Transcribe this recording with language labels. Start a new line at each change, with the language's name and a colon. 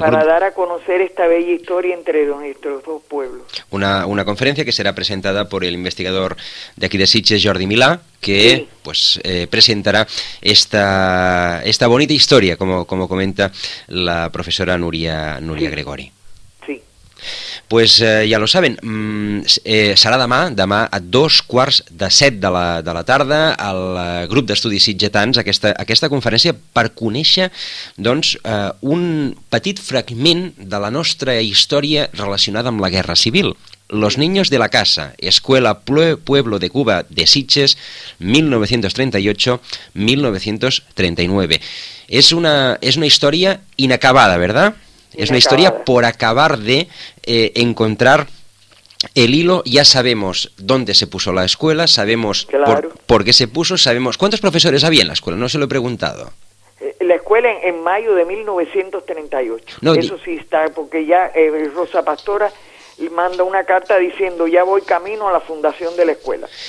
Spanish: grupo, para dar a conocer esta bella historia entre nuestros dos pueblos. Una conferencia que será presentada por el investigador de aquí de Sitges, Jordi Milà, que sí, presentará esta bonita historia, como comenta la profesora Núria sí. Gregori. Pues ja lo saben,
Catalan: serà demà a 6:45 de la tarda al grup d'estudis sitgetans aquesta conferència per conèixer un petit fragment de la nostra història relacionada amb la Guerra Civil.
Spanish: Los niños de la casa, Escuela Pueblo de Cuba de Sitges, 1938-1939.
Catalan: És una història inacabada,
Spanish: ¿verdad? Es una historia por acabar de encontrar el hilo. Ya sabemos dónde se puso la escuela, sabemos por qué se puso, sabemos cuántos profesores había en la escuela, no se lo he preguntado. La escuela en mayo de 1938, eso sí está, porque ya Rosa Pastora manda una carta diciendo ya voy camino a la fundación de la escuela.